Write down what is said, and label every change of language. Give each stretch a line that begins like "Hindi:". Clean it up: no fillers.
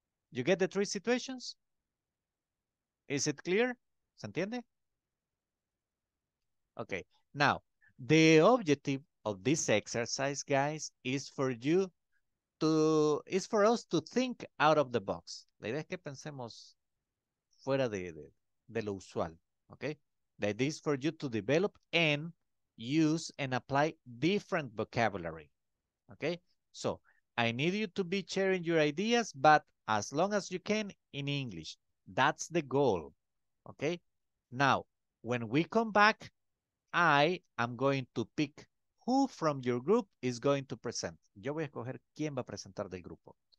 English: You get the three situations? Is it clear?
Spanish: ¿Se entiende?
English: Okay. Now, the objective of this exercise, guys, is for you to, is for us to think out of the box.
Spanish: La idea es que pensemos fuera de lo usual, okay?
English: That is for you to develop and use and apply different vocabulary, okay? So, I need you to be sharing your ideas, but as long as you can, in English. That's the goal, okay? Now, when we come back, I am going to pick who from your group is going to present.
Spanish: Yo voy a escoger quién va a presentar del grupo.